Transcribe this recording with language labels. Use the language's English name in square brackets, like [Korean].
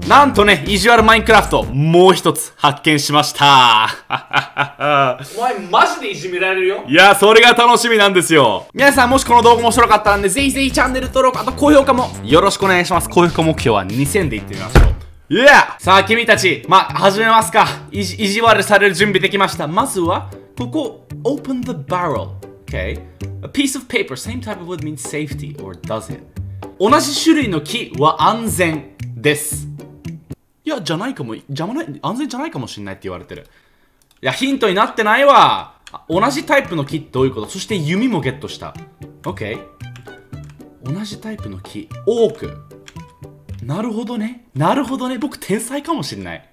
[Japanese] なんとね、意地悪マインクラフトもう一つ発見しました。お前マジでいじめられるよ。いや、それが楽しみなんですよ。皆さんもしこの動画面白かったらね、ぜひぜひチャンネル登録、あと高評価もよろしくお願いします。高評価目標は2000でいってみましょう。いや、さあ君たち、まあ始めますか。意地悪される準備できました。まずはここ [English] Open the barrel、okay? A piece of paper, same type of wood means safety or does it? [Japanese] 同じ種類の木は安全です。いや、じゃないかも、邪魔ない、安全じゃないかもしれないって言われてる。いや、ヒントになってないわ。同じタイプの木ってどういうこと。そして弓もゲットした。OK、 同じタイプの木多く、なるほどね、なるほどね。僕天才かもしれない。